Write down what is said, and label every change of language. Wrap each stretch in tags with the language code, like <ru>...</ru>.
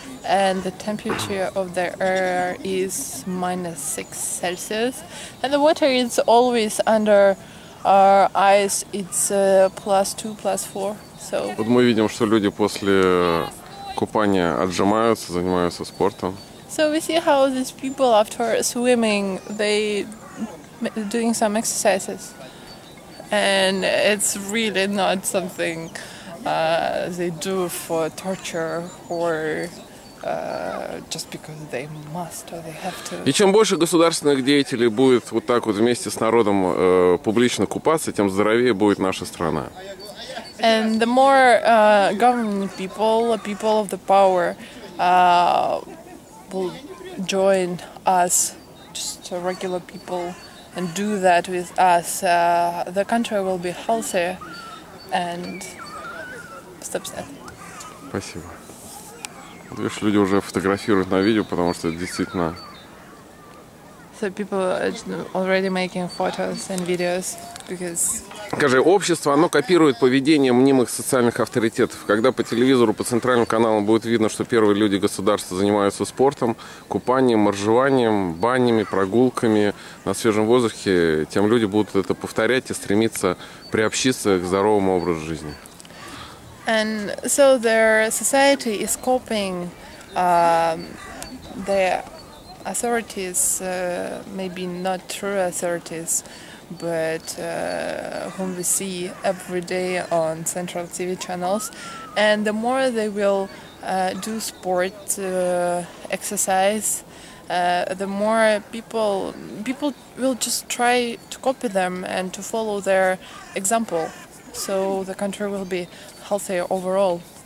<en>and the temperature of the air is minus 6 Celsius, and the water is always under our eyes, it's plus 2, plus 4. So.</en> <ru>Вот мы видим, что люди после купания отжимаются, занимаются спортом.</ru> <en>So we see how these people after swimming, they doing some exercises. And it's really not something they do for torture or just because they must or they have to.</en> <ru>И чем больше государственных деятелей будет вот так вот вместе с народом публично купаться, тем здоровее будет наша страна.</ru> <en>And the more government people, people of the power, will join us, just regular people, and do that with us, the country will be healthier and stop that.</en> <ru>Спасибо. Видишь, люди уже фотографируют на видео, потому что действительно.</ru> <en>So people are already making photos and videos because.</en> <ru>Скажи, общество, оно копирует поведение мнимых социальных авторитетов. Когда по телевизору, по центральным каналам будет видно, что первые люди государства занимаются спортом, купанием, моржеванием, банями, прогулками на свежем воздухе, тем люди будут это повторять и стремиться приобщиться к здоровому образу жизни.</ru> <en>And so their society is copying the authorities, maybe not true authorities, but whom we see every day on central TV channels, and the more they will do sport, exercise, the more people will just try to copy them and to follow their example, so the country will be healthier overall.</en>